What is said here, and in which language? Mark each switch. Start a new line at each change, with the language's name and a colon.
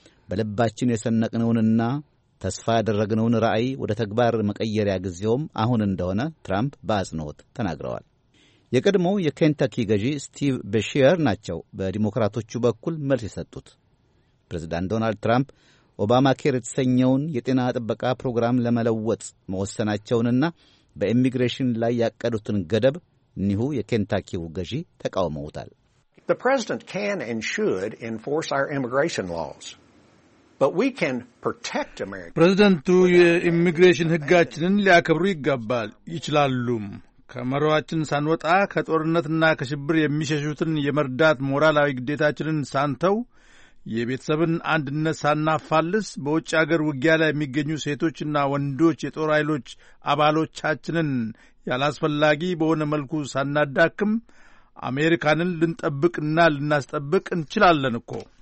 Amharic: በልባችን የሰነቅነውንና ተስፋ ያደረግነውን ራዕይ ወደ ተግባር መቀየሪያ ጊዜውም አሁን እንደሆነ ትራምፕ በአጽንኦት ተናግረዋል። የቀድሞው የኬንታኪ ገዢ ስቲቭ በሺየር ናቸው በዲሞክራቶቹ በኩል መልስ የሰጡት። ፕሬዚዳንት ዶናልድ ትራምፕ ኦባማ ኬር የተሰኘውን የጤና ጥበቃ ፕሮግራም ለመለወጥ መወሰናቸውንና በኢሚግሬሽን ላይ ያቀዱትን ገደብ እኒሁ የኬንታኪው ገዢ ተቃውመውታል።
English: The president can and should enforce our immigration laws. But we can protect America.
Amharic: ፕሬዝዳንቱ የኢሚግሬሽን ህጋችንን ሊያከብሩ ይገባል ይችላሉም። ከመሯችን ሳንወጣ ከጦርነትና ከሽብር የሚሸሹትን የመርዳት ሞራላዊ ግዴታችንን ሳንተው የቤተሰብን አንድነት ሳናፋልስ በውጭ አገር ውጊያ ላይ የሚገኙ ሴቶችና ወንዶች የጦር ኃይሎች አባሎቻችንን ያላስፈላጊ በሆነ መልኩ ሳናዳክም አሜሪካንን ልንጠብቅና ልናስጠብቅ እንችላለን እኮ።